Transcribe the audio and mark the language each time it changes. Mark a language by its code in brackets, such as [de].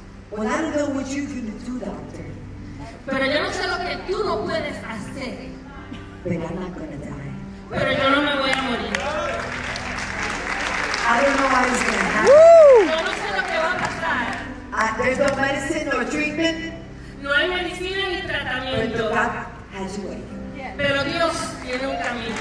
[en] Well, I don't know what you can do, doctor. [es] Pero yo no sé lo que tú no puedes hacer. [en] But I'm not going to die. [es] Pero yo no me voy a morir. [en] I don't know what is going to happen. [es] Yo no sé lo que va a pasar. [en] There's no medicine or treatment. [es] No hay medicina ni tratamiento. [en] But God has a way. [es] Pero Dios tiene un camino.